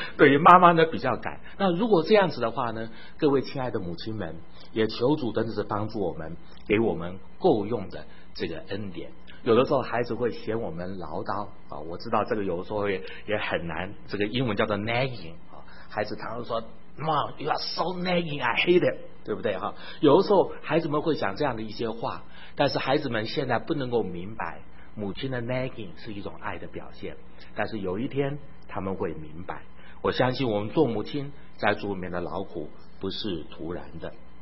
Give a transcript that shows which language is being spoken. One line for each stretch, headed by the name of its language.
Chinese: 对于妈妈呢，比较敢。那如果这样子的话呢，各位亲爱的母亲们，也求主真的是帮助我们，给我们够用的这个恩典。有的时候孩子会嫌我们唠叨啊，我知道这个有的时候也很难，这个英文叫做 nagging 啊，孩子常常说。
English: Mom, you are so nagging, I hate it,
Chinese: 对不对哈？有的时候孩子们会讲这样的一些话，但是孩子们现在不能够明白，母亲的 nagging 是一种爱的表现，但是有一天他们会明白。我相信我们做母亲在主里面的劳苦不是徒然的。